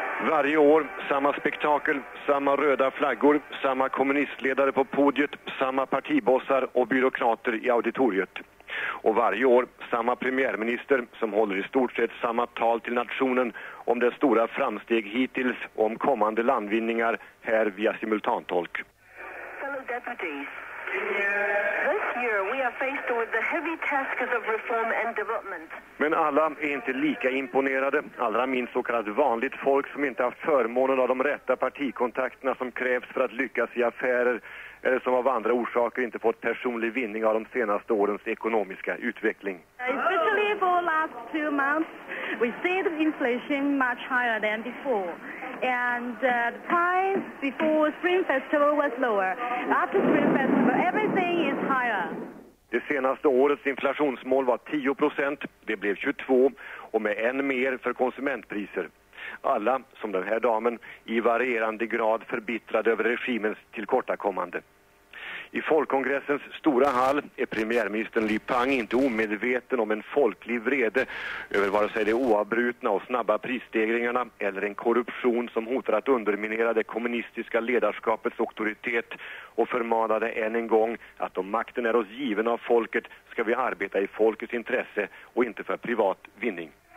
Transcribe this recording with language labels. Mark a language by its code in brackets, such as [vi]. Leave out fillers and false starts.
[sv] Varje år samma spektakel, samma röda flaggor, samma kommunistledare på podiet, samma partibossar och byråkrater i auditoriet. Och varje år samma premiärminister som håller i stort sett samma tal till nationen om det stora framsteg hittills och om kommande landvinningar här via simultantolk. [en] Fellow deputies, this year we are faced with the heavy tasks of reform and development. [sv] Men alla är inte lika imponerade, allra minst så kallat vanligt folk som inte har förmånen av de rätta partikontakterna som krävs för att lyckas i affärer, eller som av andra orsaker inte fått personlig vinning av de senaste årens ekonomiska utveckling. [en] Especially for last 2 months, we see the inflation much higher than before. And the price before Spring Festival was lower. After Spring Festival, everything is higher. [sv] Det senaste årets inflationsmål var 10%, det blev 22, och med än mer för konsumentpriser. Alla, som den här damen, i varierande grad förbittrade över regimens tillkortakommande. I folkkongressens stora hall är premiärministern Li Peng inte omedveten om en folklig vrede över vare sig det oavbrutna och snabba prisstegringarna eller en korruption som hotar att underminera det kommunistiska ledarskapets auktoritet, och förmanade än en gång att om makten är oss given av folket ska vi arbeta i folkets intresse och inte för privat vinning.